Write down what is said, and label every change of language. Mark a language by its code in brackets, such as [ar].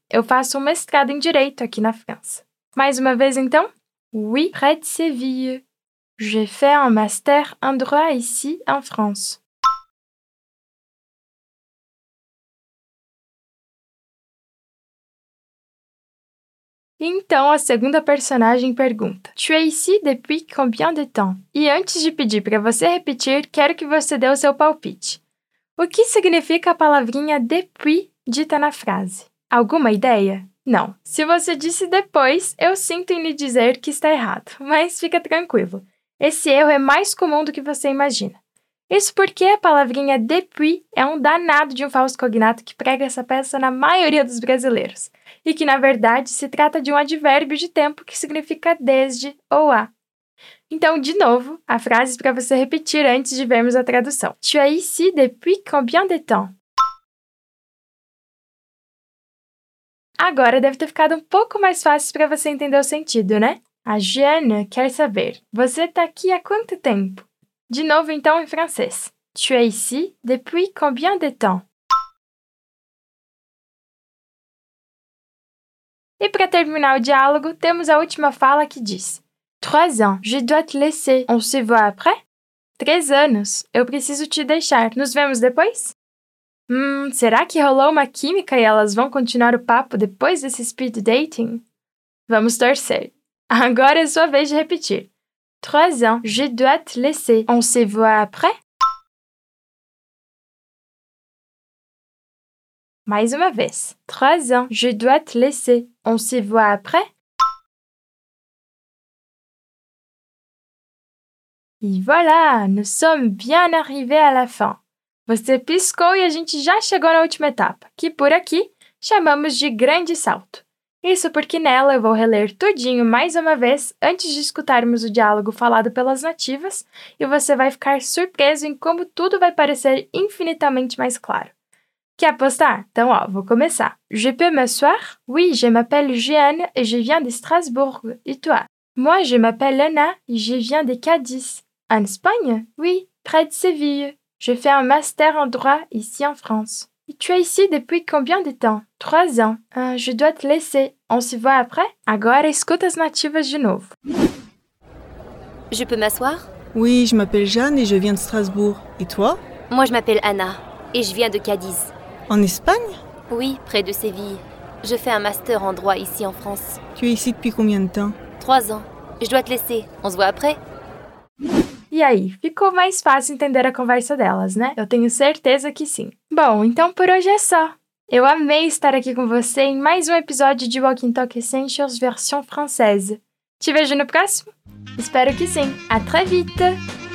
[pt] Eu faço um mestrado em direito aqui na França. Mais uma vez, então? [fr] Oui, près de Séville. J'ai fait un master en droit ici, en France. [pt] Então, a segunda personagem pergunta. [fr] Tu é ici depuis combien de temps? [pt] E antes de pedir para você repetir, quero que você dê o seu palpite. O que significa a palavrinha depuis dita na frase? Alguma ideia? Não. Se você disse depois, eu sinto em lhe dizer que está errado. Mas fica tranquilo. Esse erro é mais comum do que você imagina. Isso porque a palavrinha depuis é um danado de um falso cognato que prega essa peça na maioria dos brasileiros. E que, na verdade, se trata de um advérbio de tempo que significa desde ou há. Então, de novo, a frase para você repetir antes de vermos a tradução. [fr] Tu es ici depuis combien de temps? [pt] Agora deve ter ficado um pouco mais fácil para você entender o sentido, né? A Jeanne quer saber. Você está aqui há quanto tempo? De novo, então, em francês. [fr] Tu es ici depuis combien de temps? [pt] E para terminar o diálogo, temos a última fala que diz. [fr] 3 ans. Je dois te laisser. On se voit après? [pt] 3 anos. Eu preciso te deixar. Nos vemos depois? Será que rolou uma química e elas vão continuar o papo depois desse speed dating? Vamos torcer. Agora é sua vez de repetir. [fr] 3 ans. Je dois te laisser. On se voit après? Mais uma vez. 3 ans. Je dois te laisser. On se voit après? Et voilà, nous sommes bien arrivés à la fin. [pt] Você piscou e a gente já chegou na última etapa, que por aqui chamamos de grande salto. Isso porque nela eu vou reler tudinho mais uma vez antes de escutarmos o diálogo falado pelas nativas e você vai ficar surpreso em como tudo vai parecer infinitamente mais claro. Quer apostar? Então, ó, vou começar. [fr] Je peux m'asseoir? Oui, je m'appelle Jeanne et je viens de Strasbourg. Et toi? Moi, je m'appelle Anna et je viens de Cadiz. En Espagne? Oui, près de Séville. Je fais un master en droit ici en France. Et tu es ici depuis combien de temps? 3 ans. Je dois te laisser. On se voit après? [pt] Agora, escuta as nativas de novo. [fr] Je peux m'asseoir? Oui, je m'appelle Jeanne et je viens de Strasbourg. Et toi? Moi, je m'appelle Anna et je viens de Cadiz. En Espagne? Oui, près de Séville. Je fais un master en droit ici en France. Tu es ici depuis combien de temps? 3 ans. Je dois te laisser. On se voit après? [pt] E aí, ficou mais fácil entender a conversa delas, né? Eu tenho certeza que sim. Bom, então por hoje é só. Eu amei estar aqui com você em mais um episódio de Walking Talk Essentials versão francesa. Te vejo no próximo? Espero que sim. [fr] À très vite!